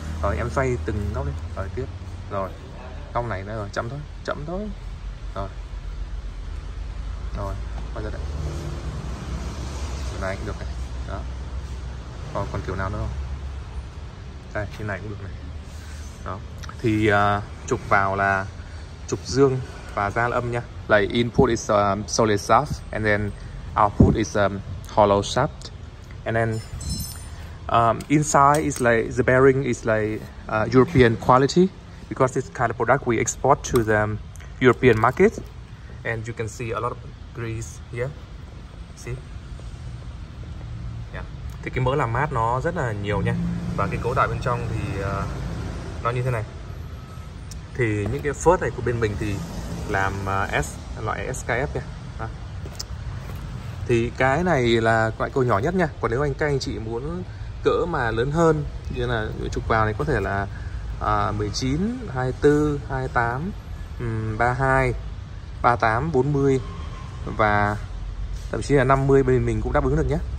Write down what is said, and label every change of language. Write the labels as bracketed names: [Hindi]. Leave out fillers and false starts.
[Vietnamese] Rồi em xoay từng góc đi, rồi tiếp. Rồi, góc này nữa rồi, chậm thôi. Rồi, bây giờ đây. Kiểu này cũng được này, đó. Rồi, còn kiểu nào nữa không? Đây, cái này cũng được này. Đó, thì chụp vào là chụp dương và ra âm nha. [English] Like input is solid shaft and then output is hollow shaft. And then inside is like the bearing is like European quality because this kind of product we export to the European market. And you can see a lot of grease here. See? Yeah. [Vietnamese] Thì cái mỡ làm mát nó rất là nhiều nha. Và cái cấu tạo bên trong thì nó như thế này. Thì những cái first này của bên mình thì làm loại SKF nha. Thì cái này là loại cầu nhỏ nhất nha. Còn nếu anh các anh chị muốn cỡ mà lớn hơn như là chụp vào này có thể là 19, 24, 28, 32, 38, 40 và thậm chí là 50 bên mình cũng đáp ứng được nhé.